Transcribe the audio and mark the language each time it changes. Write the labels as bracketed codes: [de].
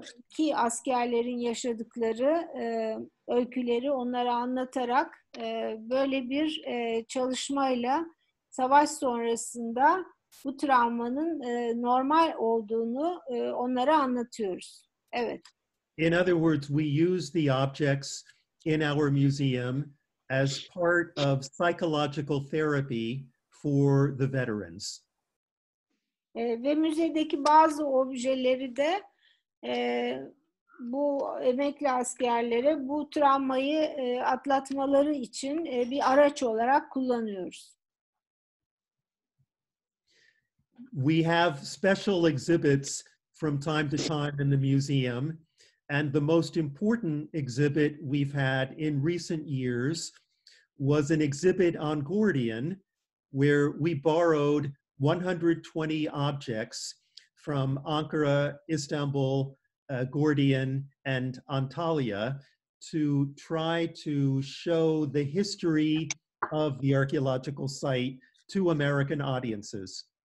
[tr] ki askerlerin yaşadıkları öyküleri onlara anlatarak böyle bir çalışmayla savaş sonrasında bu travmanın normal olduğunu onlara anlatıyoruz. Evet. [en] In other words, we use the objects in our museum as part of psychological therapy for the veterans. [tr] Ve müzedeki bazı objeleri de bu emekli askerlere bu travmayı atlatmaları için bir araç olarak kullanıyoruz. [en] We have special exhibits from time to time in the museum, and the most important exhibit we've had in recent years was an exhibit on Gordian, where we borrowed 120 objects from Ankara, Istanbul, Gordian, and Antalya to try to show the history of the archaeological site to American audiences.